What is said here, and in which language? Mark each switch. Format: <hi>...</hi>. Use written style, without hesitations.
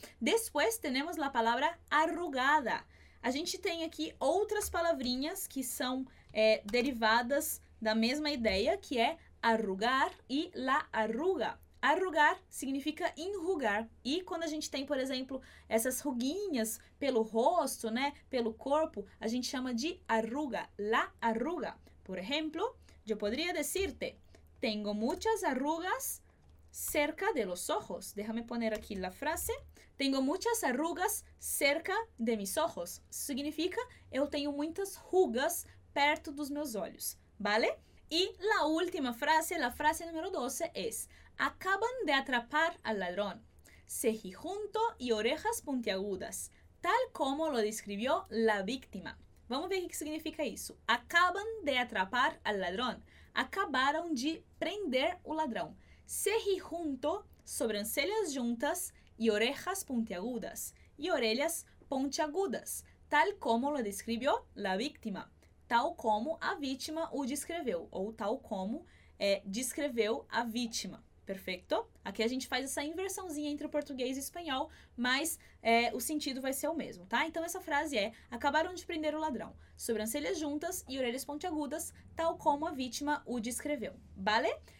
<pt>Depois, temos a palavra arrugada. A gente tem aqui outras palavrinhas que são derivadas da mesma ideia, que é arrugar e la arruga. Arrugar significa enrugar. E quando a gente tem, por exemplo, essas ruguinhas pelo rosto, né, pelo corpo, a gente chama de arruga, la arruga. Por exemplo, eu poderia</pt> <es>decirte: tengo muchas arrugas cerca de los ojos. Déjame poner aquí la frase. Tengo muchas arrugas cerca de mis ojos.</es> <pt>Significa, eu tenho muitas rugas perto dos meus olhos.</pt> <es>¿Vale? Y la última frase, la frase número 12, es: acaban de atrapar al ladrón. Cejijunto y orejas puntiagudas. Tal como lo describió la víctima.</es> <pt>Vamos ver o que significa isso.</pt> <es>Acaban de atrapar al ladrón.</es> <pt>Acabaram de prender o ladrão. Cejijunto, sobrancelhas juntas e orejas pontiagudas. E orelhas pontiagudas,</pt> <es>tal como lo describió la víctima.</es> <pt>Tal como a vítima o descreveu, ou tal como descreveu a vítima. Perfeito? Aqui a gente faz essa inversãozinha entre o português e o espanhol, mas o sentido vai ser o mesmo, tá? Então essa frase é: acabaram de prender o ladrão. Sobrancelhas juntas e orelhas pontiagudas, tal como a vítima o descreveu. Vale?</pt>